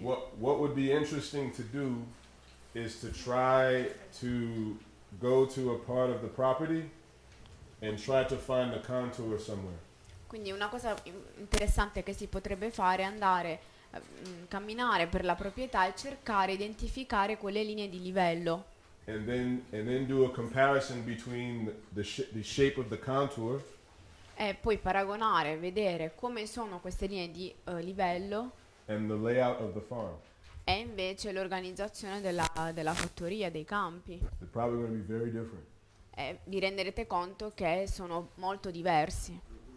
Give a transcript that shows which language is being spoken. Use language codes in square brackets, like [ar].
[en] What would be interesting to do is to try to go to a part of the property and try to find the contour somewhere. [it] Quindi una cosa interessante che si potrebbe fare è andare a camminare per la proprietà e cercare di identificare quelle linee di livello. [en] And then do a comparison between the shape of the contour. [it] E poi paragonare, vedere come sono queste linee di livello. [en] And the layout of the farm. [it] E invece l'organizzazione della fattoria, dei campi. [en] They're probably going to be very different. [it] E vi renderete conto che sono molto diversi.